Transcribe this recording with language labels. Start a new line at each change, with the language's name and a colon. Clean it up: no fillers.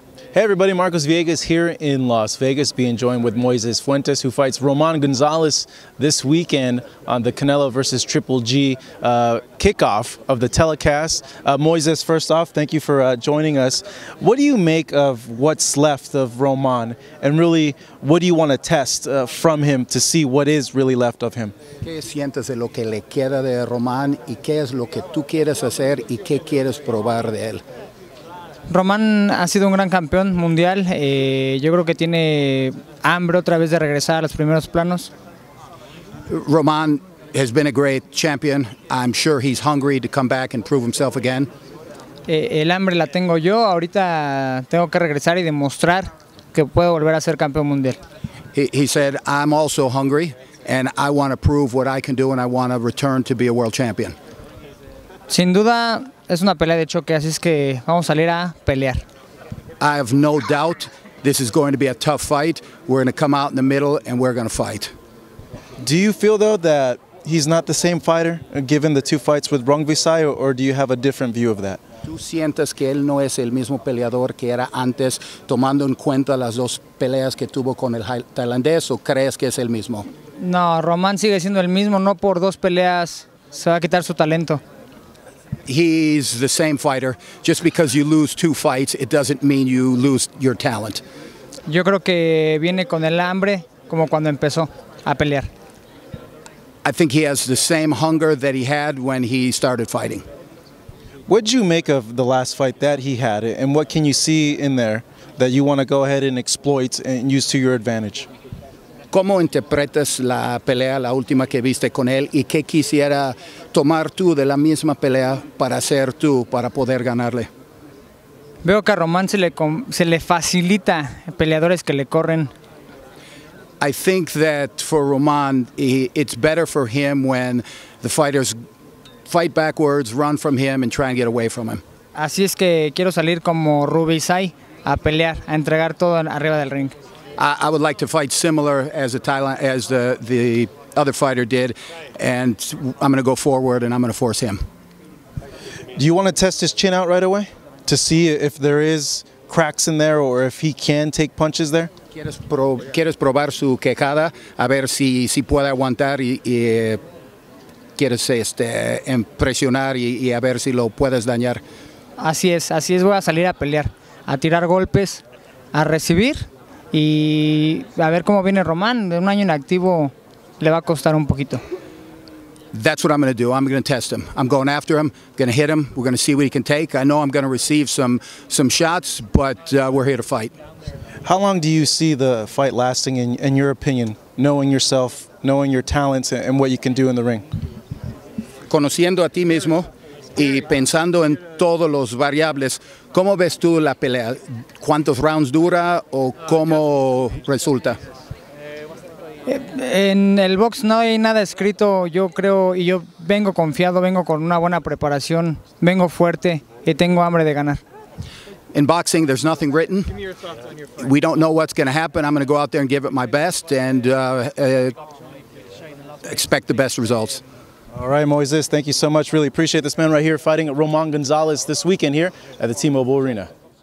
English: Hey everybody, Marcos Villegas here in Las Vegas, being joined with Moises Fuentes, who fights Roman Gonzalez this weekend on the Canelo versus Triple G kickoff of the telecast. Moises, first off, thank you for joining us. What do you make of what's left of Roman, and really, what do you want to test from him to see what is really left of him?
Spanish: ¿Qué sientes de lo que le queda de Roman, y qué es lo que tú quieres hacer, y qué quieres probar de él? Román ha sido un gran campeón mundial, yo creo que tiene hambre otra vez de regresar a los primeros planos.
English: Román has been a great champion, I'm sure he's hungry to come back and prove himself again.
Spanish: El hambre la tengo yo, ahorita tengo que regresar y demostrar que puedo volver a ser campeón mundial.
English: He said, I'm also hungry and I want to prove what I can do and I want to return to be a world champion.
Spanish: Sin duda, es una pelea de choque, así es que vamos a salir a pelear.
English: I have no doubt this is going to be a tough fight. We're going to come out in the middle and we're going to fight. Do you feel though that he's not the same fighter given the two fights with Rungvisai, or do you have a different view of that?
Spanish: ¿Tú sientes que él no es el mismo peleador que era antes, tomando en cuenta las dos peleas que tuvo con el tailandés, o crees que es el mismo? No, Román sigue siendo el mismo, no por dos peleas se va a quitar su talento.
English: He's the same fighter. Just because you lose two fights, it doesn't mean you lose your talent.
Spanish: Yo creo que viene con el hambre como cuando empezó a pelear.
English: I think he has the same hunger that he had when he started fighting. What did you make of the last fight that he had, and what can you see in there that you want to go ahead and exploit and use to your advantage?
Spanish: ¿Cómo interpretas la pelea, la última que viste con él, y qué quisiera tomar tú de la misma pelea para hacer tú, para poder ganarle? Veo que a Román se le facilita peleadores que le corren.
English: I think that for Román, it's better for him when the fighters fight backwards, run from him and try and get away from him.
Spanish: Así es que quiero salir como Rubisai a pelear, a entregar todo arriba del ring.
English: I would like to fight similar as the other fighter did, and I'm going to go forward and I'm going to force him. Do you want to test his chin out right away to see if there is cracks in there or if he can take punches there?
Spanish: ¿Quieres probar su quejada a ver si puede aguantar y quieres impresionar y a ver si lo puedes dañar? Así es, voy a salir a pelear, a tirar golpes, a recibir. Y a ver cómo viene Román, de un año inactivo le va a costar un poquito.
English: That's what I'm going to do. I'm going to test him. I'm going after him, going to hit him. We're going to see what he can take. I know I'm going to receive some shots, but we're here to fight. How long do you see the fight lasting in your opinion, knowing yourself, knowing your talents and what you can do in the ring?
Spanish: Conociendo a ti mismo y pensando en todos los variables, ¿cómo ves tú la pelea? ¿Cuántos rounds dura o cómo resulta? En el box no hay nada escrito. Yo creo y yo vengo confiado, vengo con una buena preparación, vengo fuerte y tengo hambre de ganar.
English: In boxing, there's nothing written. We don't know what's going to happen. I'm going to go out there and give it my best and expect the best results. All right, Moises, thank you so much. Really appreciate this man right here fighting at Roman Gonzalez this weekend here at the T-Mobile Arena.